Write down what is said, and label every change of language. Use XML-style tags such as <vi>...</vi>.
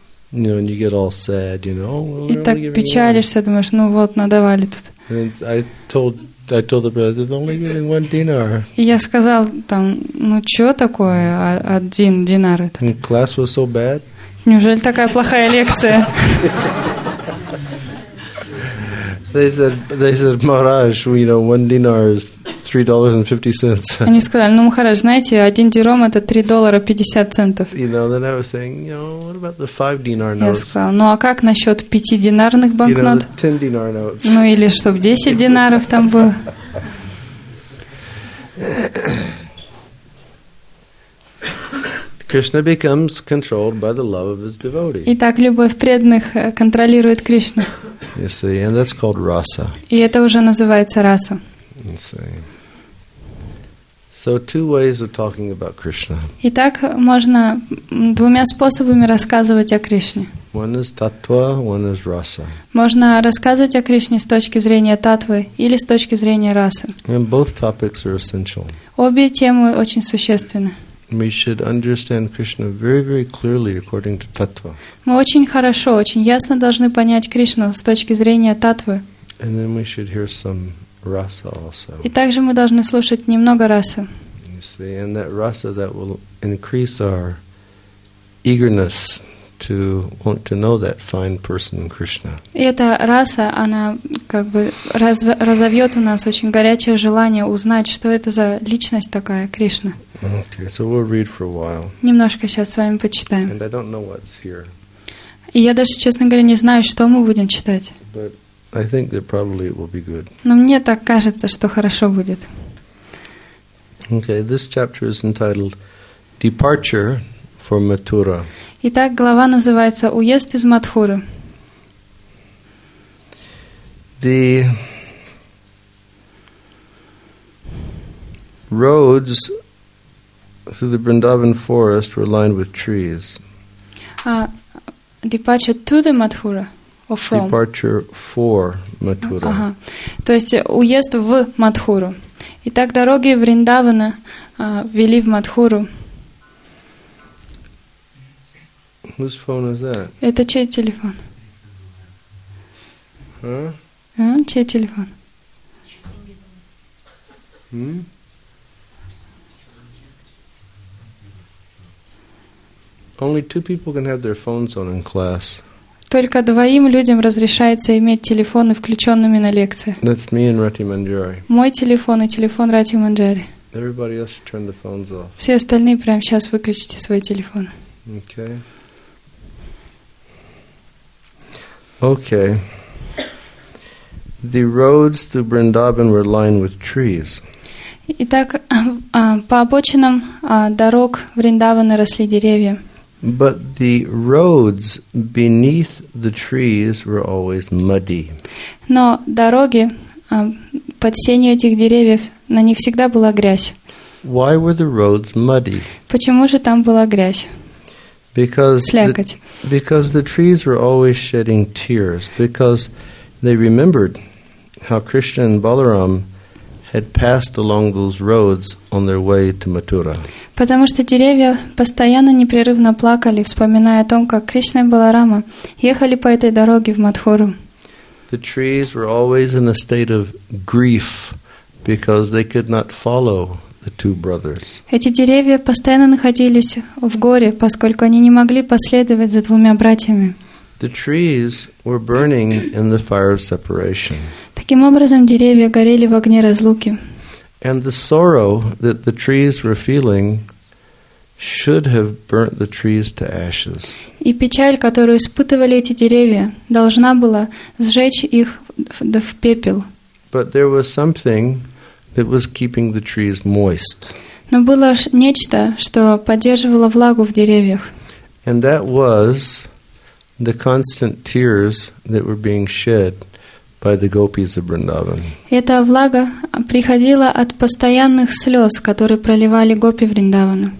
<en>You know, and you get all sad, you know.</en> <ru>И так печалишься, думаешь, ну вот надавали тут.</ru> <en>And I told the brother, they're only giving one dinar.</en> <ru>И я сказал там, ну что такое, один динар этот.</ru> <en>And class was so bad.</en> <ru>Неужели такая плохая лекция?</ru> <en>They said, Maharaj, you know, one dinar is $3.50.</en> <ru>Они сказали, ну, Махарадж, знаете, один дирхам это $3.50.</ru> <en>You know, then I was saying, you know, what about the 5-dinar notes?</en> <ru>Я сказал, ну, а как насчет 5-динарных банкнот?</ru> <en>You know, the 10-dinar notes.</en> <ru>Ну, или чтобы 10 динаров там было.</ru> <en>Krishna becomes controlled by the love of his devotees.</en> <ru>Итак, любовь преданных контролирует Кришну.</ru> <en>You see, and that's called rasa.</en> <ru>И это уже называется раса.</ru> <en>You see. So two ways of talking about Krishna.</en> <ru>Итак, можно двумя способами рассказывать о Кришне.</ru> <en>One is tattva, one is rasa.</en> <ru>Можно рассказывать о Кришне с точки зрения таттвы или с точки зрения расы.</ru> <en>And both topics are essential.</en> <ru>Обе темы очень существенны.</ru> <en>We should understand Krishna very, very clearly according to tattva.</en> <ru>Мы очень хорошо, очень ясно должны понять Кришну с точки зрения таттвы.</ru> <en>And then we should hear some rasa also.</en> <ru>И также мы должны слушать немного расы.</ru> <en>You see, and that rasa that will increase our eagerness to want to know that fine person Krishna.</en> <ru>И эта раса, она как бы разовьет у нас очень горячее желание узнать, что это за личность такая, Кришна.</ru> <en>Okay, so we'll read for a while.</en> <ru>Немножко сейчас с вами почитаем.</ru> <en>And I don't know what's here.</en> <ru>И я даже, честно говоря, не знаю, что мы будем читать.</ru> <en>But I think that probably it will be good.</en> <ru>Но мне так кажется, что хорошо будет.</ru> <en>Okay, this chapter is entitled Departure for Mathura.</en> <ru>Итак, глава называется «Уезд из Матхуры».</ru> <en>The roads through the Vrindavan forest were lined with trees. Departure to the Mathura, or from? Departure for Mathura.</en> <ru>То есть уезд в Матхуру. Итак, дороги Вриндавана вели в Матхуру.</ru> <en>Whose phone is that?</en> <ru>Это чей телефон? Чей телефон?</ru> <en>Only two people can have their phones on in class.</en> <ru>Только двоим людям разрешается иметь телефоны включенными на лекции.</ru> <en>That's me and Rati Manjari.</en> <ru>Мой телефон и телефон Рати Манджари.</ru> <en>Everybody else should turn the phones off.</en> <ru>Все остальные прямо сейчас выключите свой телефон.</ru> <en>Okay. Okay. The roads to Vrindavan were lined with trees.</en> <ru>Итак, по обочинам дорог Вриндавана росли деревья.</ru> <en>But the roads beneath the trees were always muddy.</en> <ru>Но дороги под сенью этих деревьев, на них всегда была грязь.</ru> <en>Why were the roads muddy?</en> <ru>Почему же там была грязь?</ru> <en>Because the trees were always shedding tears, because they remembered how Krishna and Balaram had passed along those roads on their way to Mathura.</en> <ru>Потому что деревья постоянно непрерывно плакали, вспоминая о том, как Кришна и Баларама ехали по этой дороге в Матхуру.</ru> <en>The trees were always in a state of grief because they could not follow the two brothers.</en> <ru>Эти деревья постоянно находились в горе, поскольку они не могли последовать за двумя братьями.</ru> <en>The trees were burning in the fire of separation.</en> <ru>Таким образом, деревья горели в огне разлуки.</ru> <en>And the sorrow that the trees were feeling should have burnt the trees to ashes.</en> <ru>И печаль, которую испытывали эти деревья, должна была сжечь их в пепел.</ru> <en>But there was something that was keeping the trees moist.</en> <ru>Но было нечто, что поддерживало влагу в деревьях.</ru> <en>And that was the constant tears that were being shed by the gopis of Vrindavan.</en> <ru>Эта влага приходила от постоянных слез, которые проливали гопи Вриндавана.</ru>